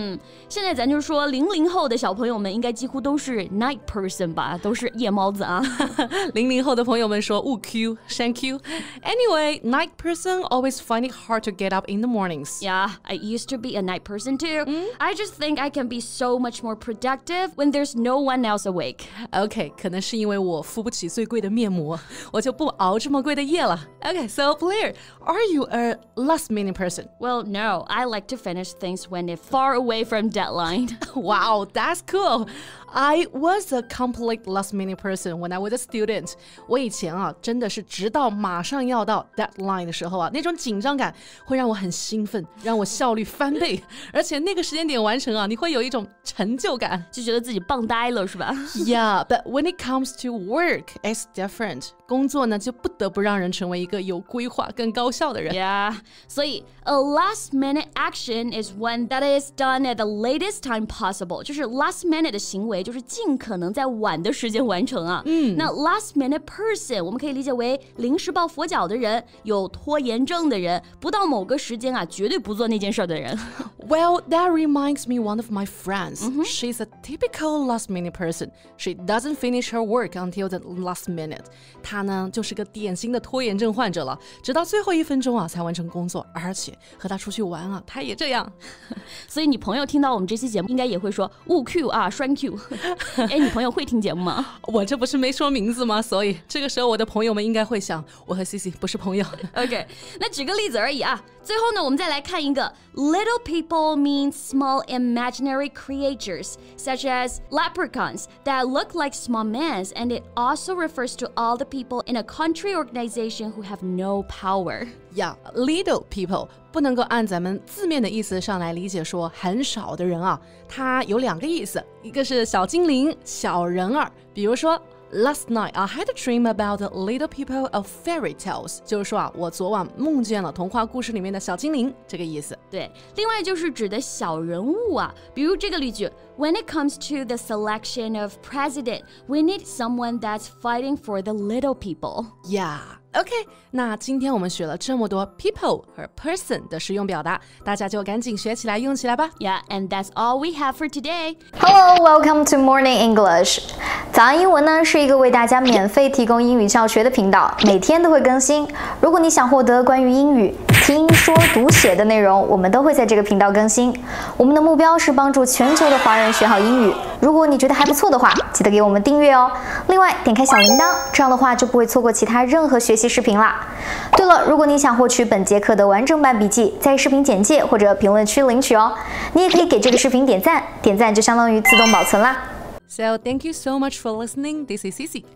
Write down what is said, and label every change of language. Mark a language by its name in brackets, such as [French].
[Chinese] 嗯、现在咱就说零零后的小朋友们应该几乎都是 night person 吧都是夜猫子啊。零零后的朋友们说勿 Q, [English] thank you. Anyway, night person always find it hard to get up in the mornings. Yeah, I used to be a night person too.、 Mm? I just think I can be so much more productive when there's no one else awake. [Chinese] Okay, 可能是因为我付不起最贵的面膜，我就不熬这么贵的夜了。 [English] Okay, so Blair, are you a last minute person? Well, no, I like to finish things when it's far away from deadline. Wow, that's cool. I was a complete last minute person when I was a student. [Chinese] 我以前啊，真的是直到马上要到 deadline 的时候啊，那种紧张感会让我很兴奋，让我效率翻倍，而且那个时间点完成啊，你会有一种成就感，就觉得自己棒呆了，是吧？ [English] Yeah, but when it comes to work, it's different. [Chinese] 工作呢，就不得不让人成为一个有规划、更高效的人。 [English] Yeah, [Chinese] 所以 [English] a last minute action is one that is done at the latest time possible. [Chinese] 就是 last minute 的行为，就是尽可能在晚的时间完成啊。嗯，那 last minute person 我们可以理解为临时抱佛脚的人，有拖延症的人，不到某个时间啊，绝对不做那件事的人。 [English] Well, that reminds me one of my friends.、 Mm-hmm. She's a typical last minute person. She doesn't finish her work until the last minute. [Chinese] 她呢就是个典型的拖延症患者了，直到最后一分钟啊才完成工作，而且和她出去玩啊，她也这样。所以你朋友听到我们这期节目，应该也会说勿 Q 啊，栓 Q。哎，你朋友会听节目吗？我这不是没说名字吗？所以这个时候我的朋友们应该会想，我和 Cici 不是朋友。 OK, 那举个例子而已啊。最后呢，我们再来看一个 little people. [English] People mean small imaginary creatures, such as leprechauns that look like small men, and it also refers to all the people in a country organization who have no power. Yeah, little people. [Chinese] 不能够按咱们字面的意思上来理解，说很少的人啊，它有两个意思，一个是小精灵、小人儿。比如说 ， [English] Last night I had a dream about the little people of fairy tales， [Chinese] 就是说啊，我昨晚梦见了童话故事里面的小精灵，这个意思。对，另外就是指的小人物啊，比如这个例句 ： [English] When it comes to the selection of president, we need someone that's fighting for the little people. [Chinese] Yeah. OK, 那今天我们学了这么多 people 和 person 的实用表达，大家就赶紧学起来用起来吧。 [English] Yeah, and that's all we have for today. Hello, welcome to Morning English. [Chinese] 早安英文呢是一个为大家免费提供英语教学的频道，每天都会更新。如果你想获得关于英语听说读写的内容，我们都会在这个频道更新。我们的目标是帮助全球的华人学好英语。如果你觉得还不错的话，记得给我们订阅哦。另外，点开小铃铛，这样的话就不会错过其他任何学习视频啦。对了，如果你想获取本节课的完整版笔记，在视频简介或者评论区领取哦。你也可以给这个视频点赞，点赞就相当于自动保存啦。 [English] So, thank you so much for listening. This is Cici.